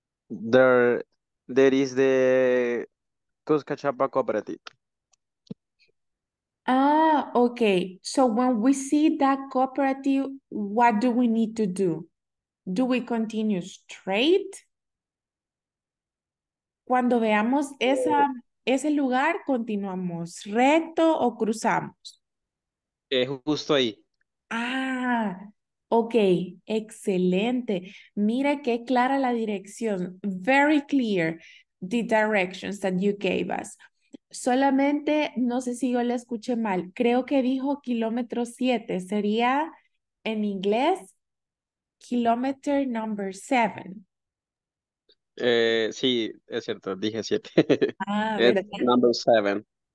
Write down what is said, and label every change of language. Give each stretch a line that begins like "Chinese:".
English: There is the Cuscachapa Cooperative. Ah, okay. So when we see that cooperative, what do we need to do? Do we continue straight?
Spanish: Cuando veamos ese lugar, ¿continuamos recto o cruzamos? Justo ahí. Ah. Ok, excelente. Mira qué clara la dirección.
English: Very clear the directions that you gave us.
Spanish: Solamente, no sé si yo la escuché mal. Creo que dijo kilómetro 7. Sería en inglés,
English: kilometer number 7.
Spanish: Sí, es cierto, dije siete. Ah, ¿verdad?
English: It's number seven.